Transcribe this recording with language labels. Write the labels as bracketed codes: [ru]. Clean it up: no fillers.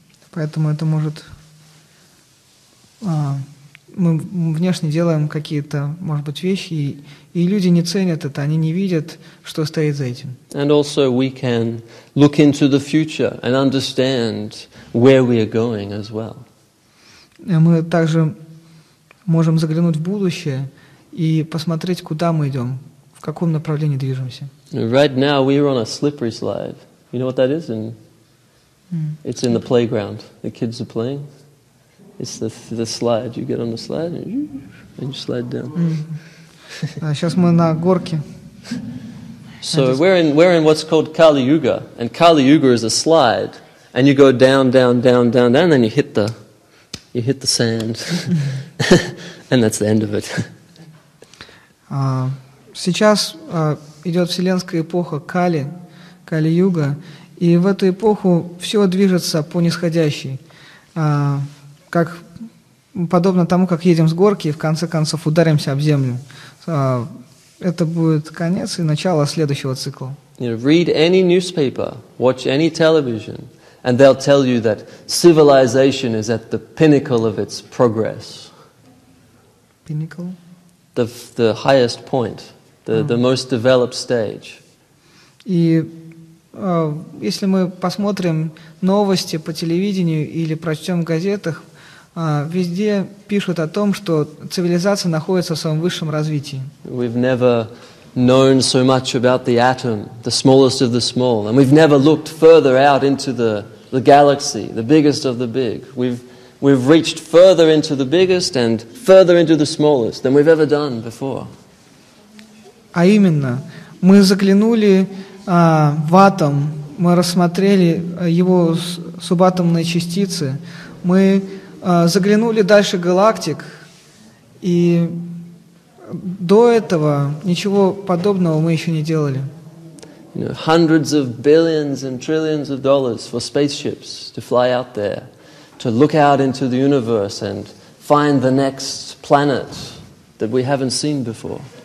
[ru] Поэтому это может... мы внешне делаем какие-то, может быть, вещи, и люди не ценят это, они не видят, что стоит за этим. [en] And also we can look into the future and understand where we are going as well. [ru] И мы также можем заглянуть в будущее и посмотреть, куда мы идем, в каком направлении движемся. [en] Right now we are on a slippery slide. You know what that is? And it's in the playground. The kids are playing. It's the slide. You get on the slide and you slide down. [ru] Сейчас мы на горке. [en] So we're in what's called Kali Yuga, and Kali Yuga is a slide, and you go down, down, down, down, down, and then you hit the sand, and that's the end of it. [ru] Сейчас идет вселенская эпоха Кали Юга, и в эту эпоху все движется по нисходящей, как подобно тому, как едем с горки и в конце концов ударимся об землю. Это будет конец и начало следующего цикла. [en] You know, read any newspaper, watch any television, and they'll tell you that civilization is at the pinnacle of its progress. Pinnacle? The highest point, the most developed stage. [ru] И если мы посмотрим новости по телевидению или прочтем в газетах, везде пишут о том, что цивилизация находится в своем высшем развитии. [en] We've never known so much about the atom, the smallest of the small, and we've never looked further out into the galaxy, the biggest of the big. We've reached further into the biggest and further into the smallest than we've ever done before. [ru] А именно, мы заглянули в атом, мы рассмотрели его субатомные частицы, мы заглянули дальше галактик, и до этого ничего подобного мы еще не делали. [en] You know, hundreds of billions and trillions of dollars for spaceships to fly out there, to look out into the universe and find the next planet that we haven't seen before.